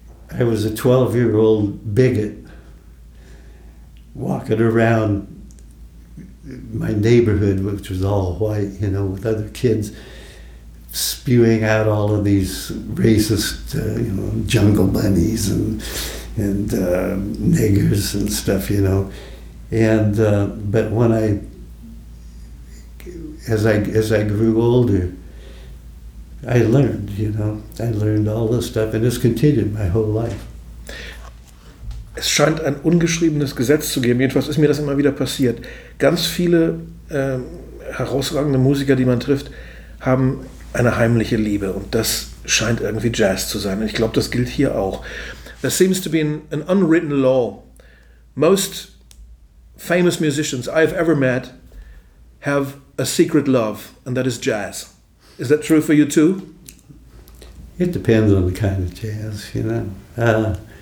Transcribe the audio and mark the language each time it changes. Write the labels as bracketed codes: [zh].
[en] I was a 12-year-old bigot walking around my neighborhood, which was all white, you know, with other kids, spewing out all of these racist, you know, jungle bunnies and niggers and stuff, you know. And but when I, as I grew older, I learned, you know, I learned all this stuff, and it's continued my whole life. [de] Es scheint ein ungeschriebenes Gesetz zu geben. Jedenfalls ist mir das immer wieder passiert. Ganz viele herausragende Musiker, die man trifft, haben eine heimliche Liebe, und das scheint irgendwie Jazz zu sein. Und ich glaube, das gilt hier auch. [en] There seems to be an unwritten law. Most famous musicians I've ever met have a secret love, and that is jazz. Is that true for you too? It depends on the kind of jazz, you know.